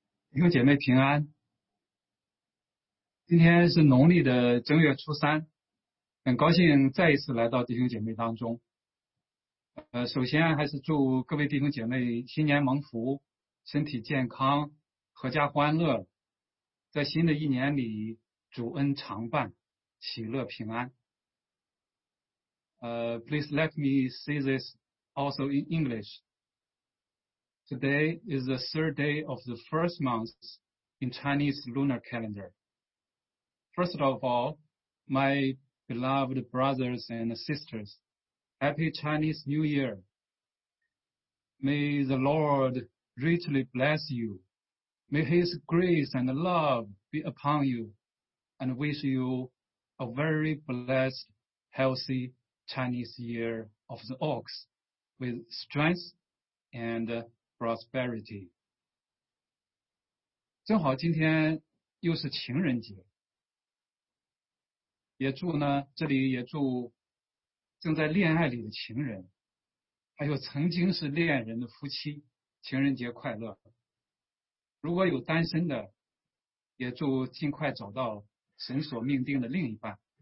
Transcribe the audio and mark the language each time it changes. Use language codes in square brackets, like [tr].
[zh] 弟兄姐妹平安，今天是农历的正月初三，很高兴再一次来到弟兄姐妹当中。首先还是祝各位弟兄姐妹新年蒙福，身体健康，阖家欢乐，在新的一年里主恩常伴，喜乐平安。 [en] Please let me say this also in English. Today is the third day of the first month in Chinese lunar calendar. First of all, my beloved brothers and sisters, Happy Chinese New Year. May the Lord richly bless you. May His grace and love be upon you, and wish you a very blessed, healthy Chinese Year of the Ox with strength and prosperity. [zh] 正好今天又是情人节，也祝呢，这里也祝正在恋爱里的情人，还有曾经是恋人的夫妻，情人节快乐。如果有单身的，也祝尽快找到神所命定的另一半。